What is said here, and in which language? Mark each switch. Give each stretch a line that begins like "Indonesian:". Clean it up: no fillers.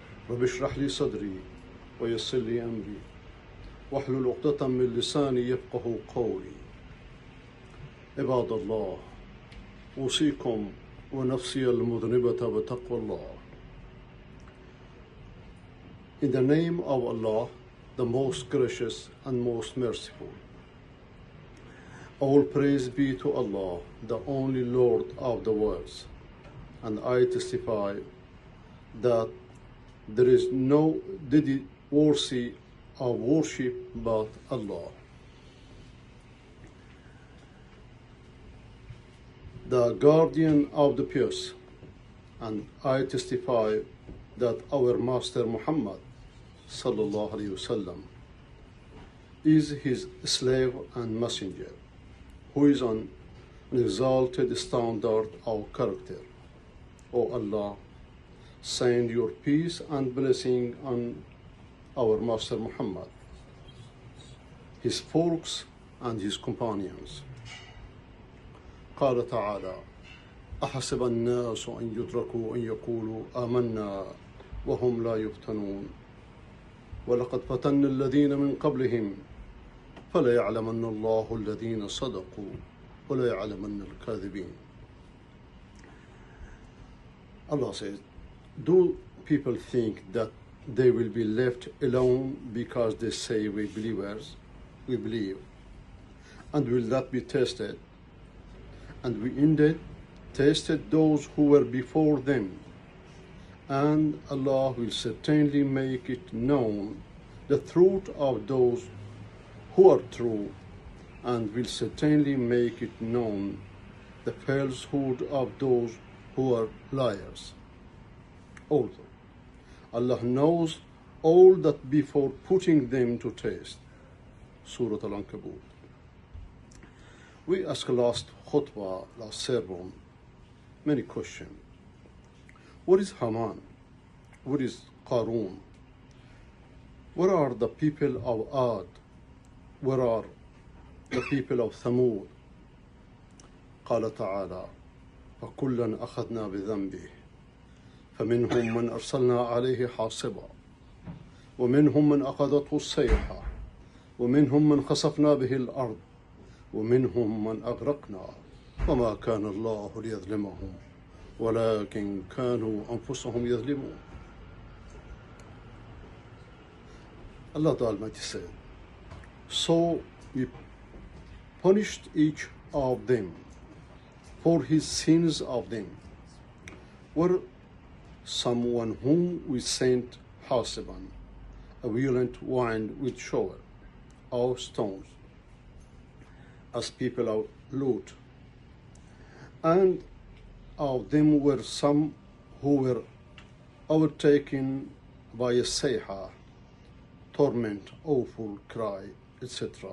Arabic: رب اشرح لي صدري ويسر لي أمري واحلل عقدة من لساني يفقه قولي. عباد الله، أوصيكم ونفسي المذنبة بتقوى الله.
English: In the name of Allah, the most gracious and most merciful. All praise be to Allah, the only Lord of the worlds. And I testify that there is no deity worthy of worship but Allah. The guardian of the pious. And I testify that our Master Muhammad sallallahu alayhi wasallam is his slave and messenger, who is on an exalted standard of character. O Allah, send your peace and blessing on our Master Muhammad, his folks and his companions.
Arabic: قال تعالى: أحسب الناس أن يدركوا أن يقولوا آمنا وهم لا يفتنون ولقد فتن الذين من قبلهم فليعلمن الله الذين صدقوا وليعلمن الكاذبين.
English: Allah says, do people think that they will be left alone because they say we believers, we believe, and will not be tested? And we indeed tested those who were before them. And Allah will certainly make it known the truth of those who are true, and will certainly make it known the falsehood of those who are liars. Also, Allah knows all that before putting them to test. Surah Al-Ankabut. We ask last khutbah, last sermon, many questions. What is Haman? What is Qarun? Where are the people of Ad? Where are the people of Thamud?
Arabic: قال تعالى: فكلاً أخذنا بذنبه فمنهم من أرسلنا عليه حاصبا ومنهم من أخذته الصيحة ومنهم من خسفنا به الأرض ومنهم من أغرقنا وما كان الله ليظلمهم ولكن كانوا أنفسهم يظلمون.
English: Allah the Almighty said, so we punished each of them for his sins of them. Were someone whom we sent hasiban, a violent wind with shower, or stones, as people of Lut, and of them were some who were overtaken by a seha, torment, awful cry, etc.